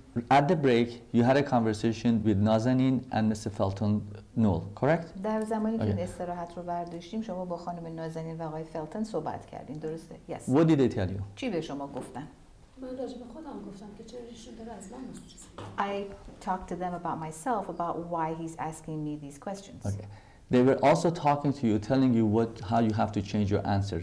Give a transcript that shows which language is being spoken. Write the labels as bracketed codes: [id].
[en] At the break, you had a conversation with Nazanin and Mr. Felton Null, correct? [fa] در زمانی که استراحت رو برداشتیم شما با خانم نازنین و آقای فلتون صحبت کردین، درسته؟ [en] Yes. What did they tell you? [fa] چی به شما گفتن؟ من راجع به خودم گفتم که چرا ایشون داره از من می‌پرسه. [en] I talked to them about myself, about why he's asking me these questions. Okay. They were also talking to you, telling you what, how you have to change your answer.